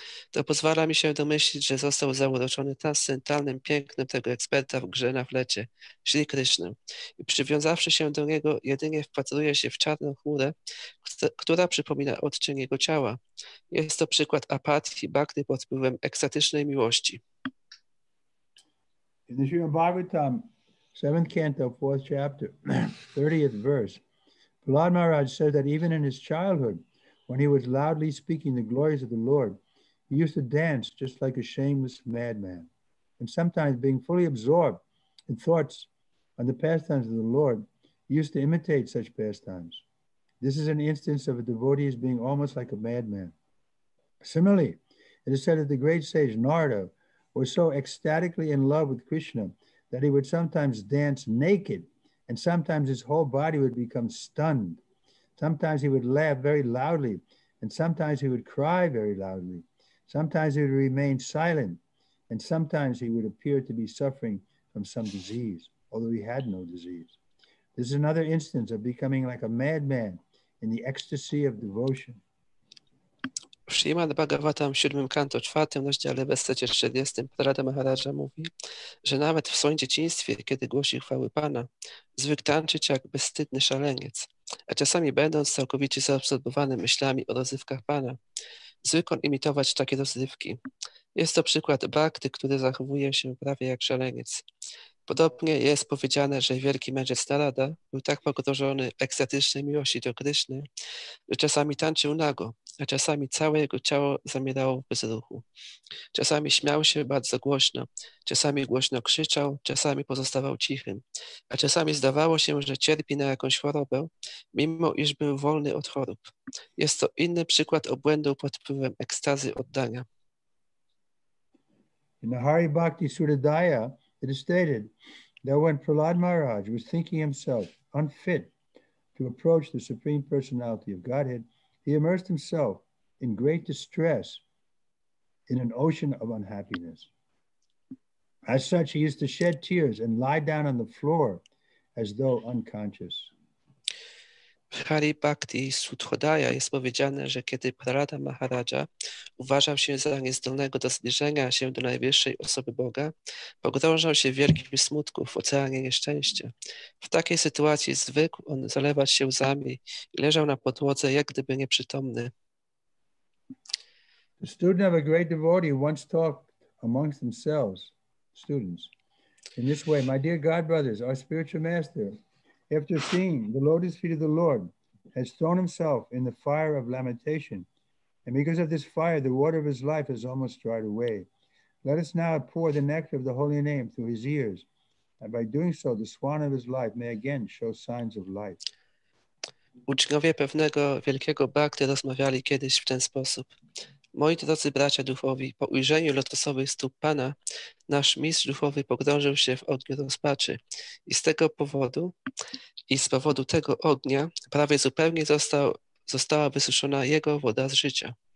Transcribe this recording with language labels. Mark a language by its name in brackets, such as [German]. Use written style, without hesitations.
[Polish] To pozwala mi się domyślić, że został zauroczony transcendentalnym pięknem tego eksperta w grze na flecie, Sri Krishna. I przywiązawszy się do niego, jedynie wpatruje się w czarną chmurę, która przypomina odcień jego ciała. Jest to przykład apatii, bhakty pod wpływem ekstatycznej miłości. [English] In the Srimad Bhagavatam, 7th canto, 4th chapter, 30th verse, Prahlad Maharaj said that even in his childhood, when he was loudly speaking the glories of the Lord, he used to dance just like a shameless madman. And sometimes, being fully absorbed in thoughts on the pastimes of the Lord, he used to imitate such pastimes. This is an instance of a devotee as being almost like a madman. Similarly, it is said that the great sage Narada was so ecstatically in love with Krishna that he would sometimes dance naked, and sometimes his whole body would become stunned. Sometimes he would laugh very loudly, and sometimes he would cry very loudly. Sometimes he would remain silent, and sometimes he would appear to be suffering from some disease, although he had no disease. This is another instance of becoming like a madman in the ecstasy of devotion. [Polish] W Srimad Bhagavatam, 7 kanto, 4 rozdziale, wersecie 40, Prahlada Maharaja mówi, że nawet w swoim dzieciństwie, kiedy głosił chwały Pana, zwykł tańczyć jak bezstydny szaleniec, a czasami będąc całkowicie zaabsorbowany myślami o rozrywkach Pana. zwykłą imitować takie rozrywki. Jest to przykład bhakty, który zachowuje się prawie jak szaleniec. Podobnie jest powiedziane, że wielki mędrzec Narada był tak pogrążony w ekstatycznej miłości do Kryszny, że czasami tańczył nago, a czasami całe jego ciało zamierało w bezruchu. Czasami śmiał się bardzo głośno, czasami głośno krzyczał, czasami pozostawał cichym, a czasami zdawało się, że cierpi na jakąś chorobę, mimo iż był wolny od chorób. Jest to inny przykład obłędu pod wpływem ekstazy oddania. [English] In the Hari Bhakti Suddhodaya, it is stated that when Prahlad Maharaj was thinking himself unfit to approach the Supreme Personality of Godhead, he immersed himself in great distress in an ocean of unhappiness. As such, he used to shed tears and lie down on the floor as though unconscious. [Polish] Hari Bhakti Suddhodaya jest powiedziane, że kiedy Prahlada Maharaja uważał się za niezdolnego do zbliżenia się do najwyższej osoby Boga, pogrążał się w wielkim smutku w oceanie nieszczęścia. W takiej sytuacji zwykł on zalewać się łzami i leżał na podłodze, jak gdyby nieprzytomny. [English] The student of a great devotee once talked amongst themselves, students, in this way, my dear God brothers, our spiritual master, after seeing the lotus feet of the Lord, has thrown himself in the fire of lamentation. And because of this fire, the water of his life has almost dried away. Let us now pour the nectar of the holy name through his ears. And by doing so, the swan of his life may again show signs of life. [Polish] Uczniowie pewnego wielkiego bhakty rozmawiali kiedyś w ten sposób. Moi drodzy bracia duchowi, po ujrzeniu lotosowych stóp Pana, nasz mistrz duchowy pogrążył się w ogniu rozpaczy i z powodu tego ognia prawie zupełnie została wysuszona jego woda z życia.